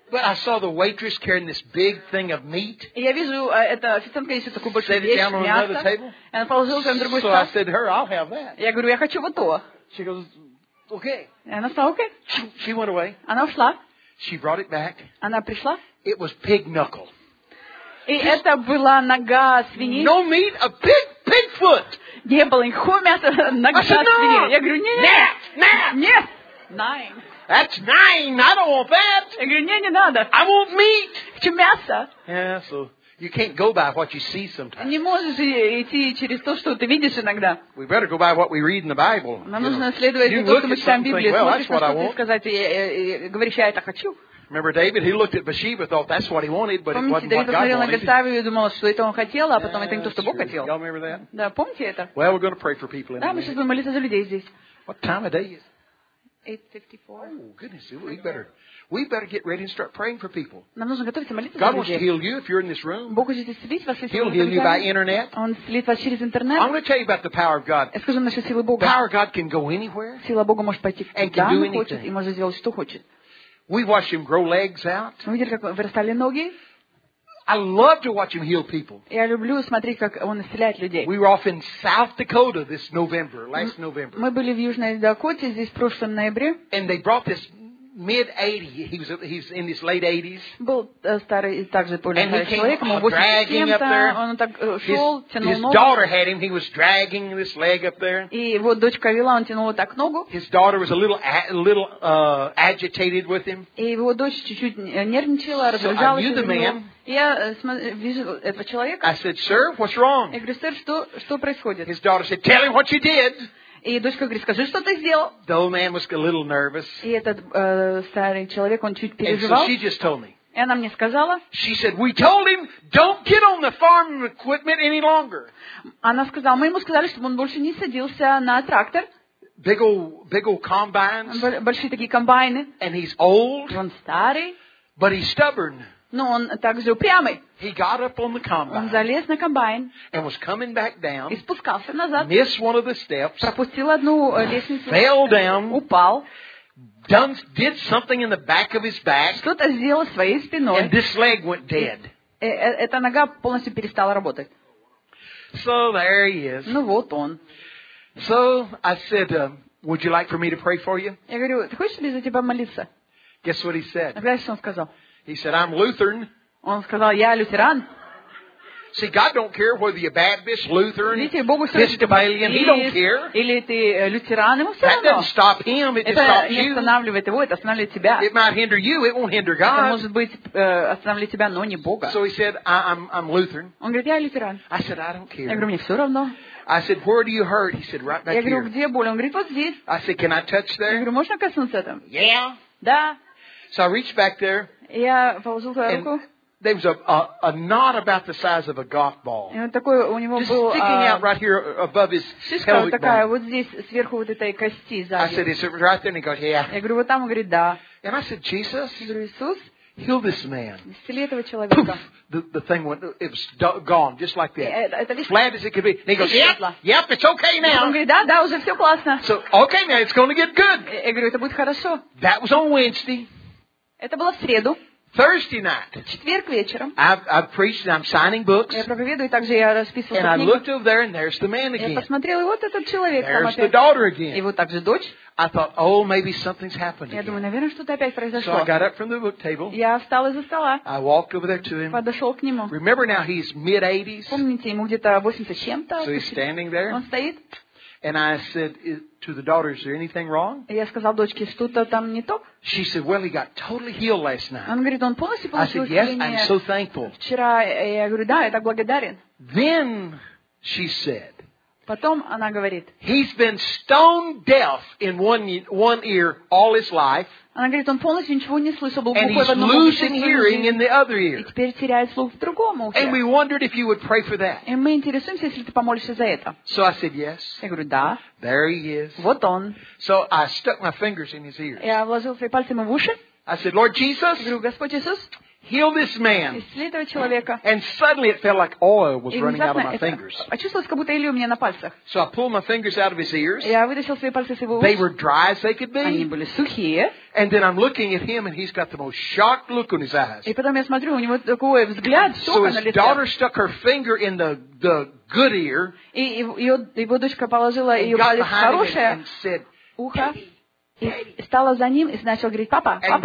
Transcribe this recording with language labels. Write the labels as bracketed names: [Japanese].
[English] But I saw the waitress carrying this big thing of meat. [Russian] И я вижу, эта официантка несет такую большую вещь, мясо. [English] Set it down on another table. [Russian] И она положила там другой стол. [English] So I said to her, I'll have that. [Russian] Я говорю, я хочу вот то. [English] She goes, okay. [Russian] И она сказала, okay. [English] She went away. [Russian] Она ушла. [English] She brought it back. [Russian] Она пришла. [English] It was pig knuckle. [Russian] И это была нога свиньи. [English] No meat, a pig foot. [Russian] Не было никакого мяса, нога свиньи. Я говорю, нет. [English] Nine. That's nine. I don't want that. [Russian] Я говорю, не надо. [English] I want meat. [Russian] Хочу мясо. [English] Yeah, so you can't go by what you see sometimes. [Russian] Не можешь идти через то, что ты видишь иногда. [English] We better go by what we read in the Bible. [Russian] Нам нужно следовать за то, что мы читаем в Библии. [English] Well, that's what I want. [Russian] Сказать, говоришь, я это хочу. [English] Remember David? He looked at Bathsheba, thought that's what he wanted, but it wasn't what God wanted. [Russian] Помните, Давид посмотрел на Госавию и думал, что это он хотел, а потом это не то, что Бог хотел. [English] Y'all remember that? [Russian] Да, помните это? [English] Well, we're going to pray for people. [Russian] Да, мы сейчас будем молиться за людей здесь. [English] What time of day is? 8:54. Oh goodness, we better get ready and start praying for people. [Russian] Нам нужно готовиться молиться. [English] God wants to heal you if you're in this room. [Russian] Бог хочет исцелить вас, если вы в этом зале. [English] He'll heal you by internet. [Russian] Он исцелит вас через интернет. [English] I'm going to tell you about the power of God. [Russian] Я скажу вам насчет силы Бога. [English] Power of God can go anywhere. [Russian] Сила Бога может пойти куда он хочет и может сделать что хочет. [English] We watch him grow legs out. [Russian] Мы видели, как вырастали ноги. [English] I love to watch him heal people. [Russian] Я люблю смотреть, как он исцеляет людей. [English] We were off in South Dakota this November, last November. [Russian] Мы были в Южной Дакоте здесь в прошлом ноябре. [English] And they brought this mid-80s. He's in his late 80s. [Russian] Был старый и также полный человек, ему 80 лет. [English] His daughter had him. He was dragging this leg up there. [Russian] И вот дочка вела, он тянул так ногу. [English] His daughter was a little agitated with him. [Russian] И его дочь чуть-чуть нервничала, раздражалась. Я вижу этого человека. [English] I said, "Sir, what's wrong?" [Russian] Я говорю, сэр, что происходит? [English] His daughter said, "Tell him what you did." [Russian] И дочка говорит, скажи, что ты сделал. [English] The old man was a little nervous. [Russian] И этот старый человек, он чуть переживал. [English] And so she just told me. [Russian] И она мне сказала. [English] She said, "We told him, don't get on the farm equipment any longer." [Russian] Она сказала, мы ему сказали, чтобы он больше не садился на трактор. [English] Big old combines. [Russian] Большие такие комбайны. [English] And he's old. [Russian] Он старый. [English] But he's stubborn. [Russian] Но он также упрямый. [English] He got up on the combine. [Russian] Он залез на комбайн. [English] And was coming back down. [Russian] И спускался назад. [English] Missed one of the steps. [Russian] Пропустил одну лестницу. [English] Fell down. [Russian] Упал. [English] Did something in the back of his back. [Russian] Что-то сделал своей спиной. [English] And this leg went dead. [Russian] Эта нога полностью перестала работать. [English] So there he is. [Russian] Ну вот он. [English] So I said, "Would you like for me to pray for you?" [Russian] Я говорю, ты хочешь, чтобы я за тебя молиться? [English] Guess what he said. [Russian] Знаешь, что он сказал? [English] He said, "I'm Lutheran." [Russian] Он сказал, я лютеран. [English] See, God don't care whether you're Baptist, Lutheran, Episcopalian, He don't care. [Russian] Или ты лютеран, ему все равно. [English] That doesn't stop Him, it just stops you. [Russian] Это не останавливает его, это останавливает тебя. [English] It might hinder you, it won't hinder God. [Russian] Это может быть останавливает тебя, но не Бога. [English] So he said, "I'm Lutheran." [Russian] Он говорит, я лютеран. [English] I said, "I don't care." [Russian] Я говорю, мне все равно. [English] I said, "Where do you hurt?" He said, "Right back here." [Russian] Я говорю, где боль? Он говорит, вот здесь. [English] I said, "Can I touch there?" [Russian] Я говорю, можно коснуться там? [English] Yeah. [Russian] Да. [English] So I reached back there. [Russian] Я положил свою руку. [English] There was a knot about the size of a golf ball. [Russian] Такой у него был. [English] Just sticking out right here above his pelvic bone. [Russian] Такая вот здесь сверху вот этой кости сзади. [English] I said, "Is it right there?" And he goes, "Yeah." [Russian] Я говорю, вот там, он говорит, да. [English] And I said, "Jesus." [Russian] Я говорю, Иисус. [English] Heal this man. [Russian] Исцели этого человека. [English] Poof, the thing went, it was gone, just like that. Flat as it could be. And he goes, yep, it's okay now. [Russian] Он говорит, да, уже все классно. [English] So, okay, now it's going to get good. [Russian] Я говорю, это будет хорошо. [English] That was on Wednesday. [Russian] Это было в среду. [English] Thursday night. [Russian] Четверг вечером. [English] I've preached and I'm signing books. [Russian] Я проповедую, также я расписывал книги. [English] And I looked over there and there's the man again. [Russian] Я посмотрел, и вот этот человек там опять. [English] There's the daughter again. [Russian] И вот также дочь. [English] I thought, oh, maybe something's happened again. [Russian] Я думаю, наверное, что-то опять произошло. [English] So I got up from the book table. [Russian] Я встал из-за стола. [English] I walked over there to him. [Russian] Подошел к нему. [English] Remember now, he's mid-80s. [Russian] Помните, ему где-то 80 чем-то. [English] So he's standing there. [Russian] Он стоит. [English] And I said to the daughter, "Is there anything wrong?" [Russian] Я сказал дочке, что-то там не то. [English] She said, "Well, he got totally healed last night." [Russian] Он говорит, он полностью получил исцеление. [English] I said, "Yes, I'm so thankful." [Russian] Вчера я говорю, да, я так благодарен. [English] Then she said. [Russian] Потом она говорит. [English] He's been stone deaf in one ear all his life. [Russian] Она говорит, он полностью ничего не слышал, был глухой в одном ухе. [English] And he's losing in the other ear. [Russian] И теперь теряет слух в другом ухе. [English] And we wondered if you would pray for that. [Russian] И мы интересуемся, если ты помолишься за это. [English] So I said, "Yes." [Russian] Я говорю, да. [English] There he is. [Russian] Вот он. [English] So I stuck my fingers in his ears. [Russian] Я вложил свои пальцы ему в уши. [English] I said, "Lord Jesus." [Russian] Я говорю, Господь Иисус. [English] Heal this man. [Russian] Исцели этого человека. [English] And suddenly it felt like oil was running out of my fingers. [Russian] Почувствовалось, как будто у меня на пальцах. [English] So I pulled my fingers out of his ears. [Russian] Я вытащил свои пальцы из его ушей. [English] They were dry as they could be. [Russian] Они были сухие. [English] And then I'm looking at him, and he's got the most shocked look on his eyes. [Russian] И потом я смотрю, у него такой взгляд, шок на лице. [English] So his daughter stuck her finger in the good ear. [Russian] И его дочка положила ее палец в хорошее ухо. И стала за ним и начала говорить, папа, папа.